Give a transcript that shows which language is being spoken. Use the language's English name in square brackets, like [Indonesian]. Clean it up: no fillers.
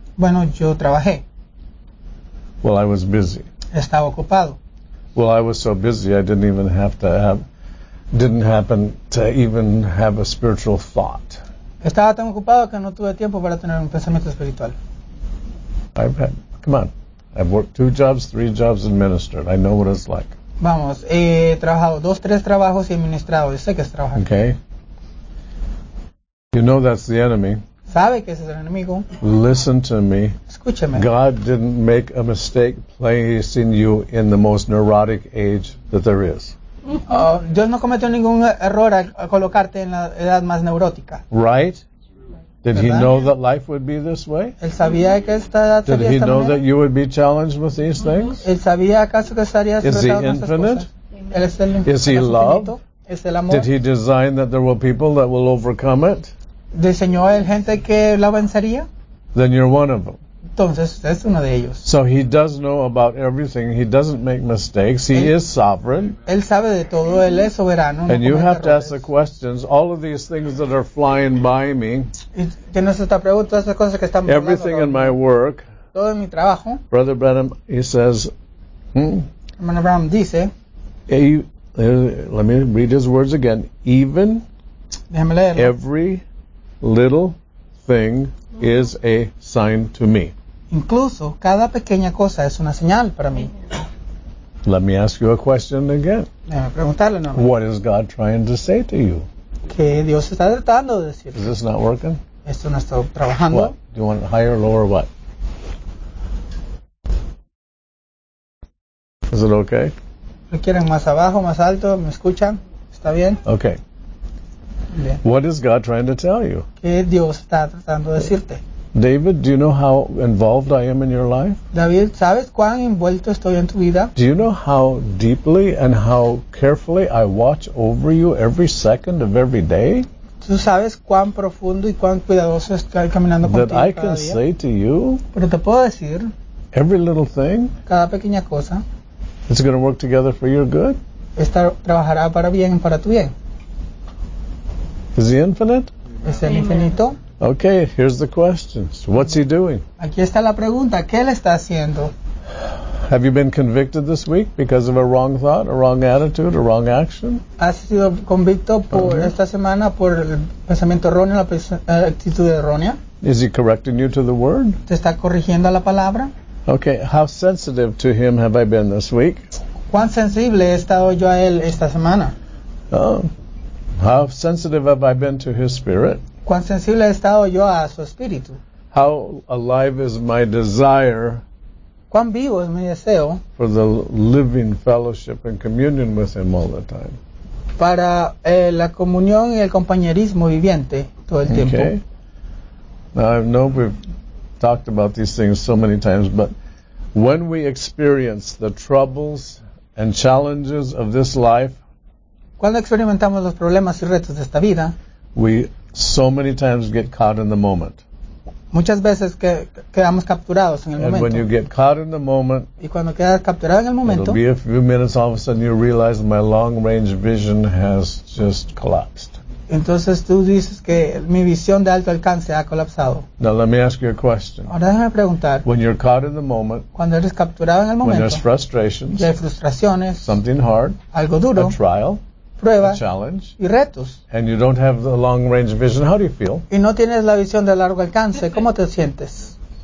[Spanish] Bueno, yo trabajé. [English] Well, I was busy. [Spanish] Estaba ocupado. [English] Well, I was so busy I didn't even have to have, didn't happen to even have a spiritual thought. [Spanish] Estaba tan ocupado que no tuve tiempo para tener un pensamiento espiritual. [English] I've had, come on, I've worked 2 jobs, 3 jobs and ministered. I know what it's like. [Spanish] Vamos, he trabajado 2, 3 trabajos y he ministrado. Yo sé que es trabajar. [English] Okay. You know that's the enemy. [Spanish] ¿Sabe que ese es el enemigo? [English] Listen to me. [Spanish] Escúcheme. [English] God didn't make a mistake placing you in the most neurotic age that there is. [Spanish] Dios no cometió ningún error al colocarte en la edad más neurótica. [English] Right? Did [Spanish] ¿verdad? [English] He know that life would be this way? [Spanish] ¿Él sabía que esta edad [English] Did [Spanish] sería [English] he [Spanish] esta [English] know [Spanish] manera? [English] That you would be challenged with these things? [Spanish] ¿Él sabía acaso que estarías [English] Is he infinite? [Spanish] ¿Él es el, [English] Is he love? [Spanish] ¿Es el amor? [English] Did he design that there will people that will overcome it? [Spanish] ¿Diseñó el gente que la vencería? [English] Then you're one of them. [Spanish] Entonces, usted es uno de ellos. [English] So he does know about everything. He doesn't make mistakes. He is sovereign. [Spanish] Él sabe de todo. Él es soberano. [English] And you have to ask the questions. All of these things that are flying by me. [Spanish] Tienes esta pregunta, esas cosas que están volando. [English] Everything in my work. [Spanish] Todo en mi trabajo. [English] Brother Branham, he says. [Spanish] Brother Branham dice. [English] Let me read his words again. Even. [Spanish] Déjame leerlo. [English] Every little thing is a sign to me. [Spanish] Incluso cada pequeña cosa es una señal para mí. [English] Let me ask you a question again. [Spanish] Déjame preguntarle, ¿no? [English] What is God trying to say to you? [Spanish] ¿Qué Dios está tratando de decir? [English] Is this not working? [Spanish] ¿Esto no está trabajando? [English] What? Do you want higher, lower, what? Is it okay? [Spanish] ¿Lo quieren más abajo, más alto? ¿Me escuchan? ¿Está bien? [English] Okay. [Spanish] Bien. [English] What is God trying to tell you? [Spanish] ¿Qué Dios está tratando de decirte? [English] David, do you know how involved I am in your life? [Spanish] David, ¿sabes cuán envuelto estoy en tu vida? [English] Do you know how deeply and how carefully I watch over you every second of every day? [Spanish] ¿Tú sabes cuán profundo y cuán cuidadoso estoy caminando contigo [English] That I can [Spanish] cada día? [English] Say to you, [Spanish] Pero te puedo decir, [English] every little thing, [Spanish] cada pequeña cosa, [English] it's going to work together for your good. [Spanish] Estar, trabajará para bien y para tu bien. [English] Is he infinite? [Spanish] ¿Es el infinito? [English] Okay, here's the questions. What's he doing? [Spanish] Aquí está la pregunta. ¿Qué él está haciendo? [English] Have you been convicted this week because of a wrong thought, a wrong attitude, a wrong action? [Spanish] ¿Has sido convicto por esta semana por el pensamiento erróneo, la actitud errónea? [English] Is he correcting you to the word? [Spanish] ¿Te está corrigiendo a la palabra? [English] Okay, how sensitive to him have I been this week? [Spanish] ¿Cuán sensible he estado yo a él esta semana? [English] How sensitive have I been to his spirit? [Spanish] ¿Cuán sensible he estado yo a su espíritu? [English] How alive is my desire? [Spanish] ¿Cuán vivo es mi deseo? [English] For the living fellowship and communion with him all the time. [Spanish] Para la comunión y el compañerismo viviente todo el tiempo. [English] Okay. Now I know we've talked about these things so many times, but when we experience the troubles and challenges of this life, [Spanish] cuando experimentamos los problemas y retos de esta vida, [English] we so many times get caught in the moment. [Spanish] Muchas veces que quedamos capturados en el momento. [English] And when you get caught in the moment, [Spanish] y cuando quedas capturado en el momento, [English] it'll be a few minutes, all of a sudden you realize my long-range vision has just collapsed. [Spanish] Entonces tú dices que mi visión de alto alcance ha colapsado. [English] Now let me ask you a question. [Spanish] Ahora déjame preguntar. [English] When you're caught in the moment, [Spanish] cuando eres capturado en el momento, [English] when there's frustrations, [Spanish] y hay frustraciones, [English] something hard, [Spanish] algo duro, [English] a trial, [Spanish] prueba, [English] a challenge, [Spanish] y retos. [English] And you don't have the long range vision, how do you feel? [Spanish] Y no tienes la visión de largo alcance, ¿cómo te sientes?